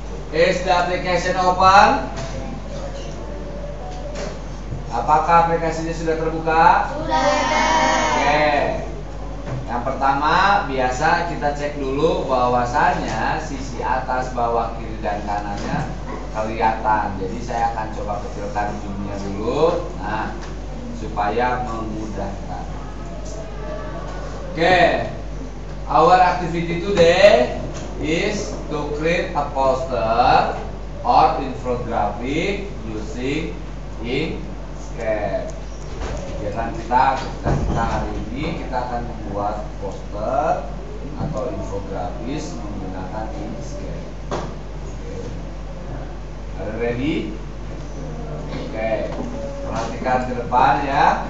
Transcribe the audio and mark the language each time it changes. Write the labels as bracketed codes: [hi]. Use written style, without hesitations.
[en] Is the application open? [id] Apakah aplikasinya sudah terbuka? Sudah. Oke. Okay. Yang pertama, biasa kita cek dulu bahwasannya sisi atas, bawah, kiri, dan kanannya kelihatan. Jadi saya akan coba kecilkan zoom-nya dulu. Nah, supaya memudahkan. Oke, okay. [en] Our activity today is to create a poster or infographic using Inkscape. [id] Kegiatan kita, hari ini kita akan membuat poster atau infografis menggunakan Inkscape. [en] Okay. Are ready? Oke, okay. [id] Perhatikan ke depan ya.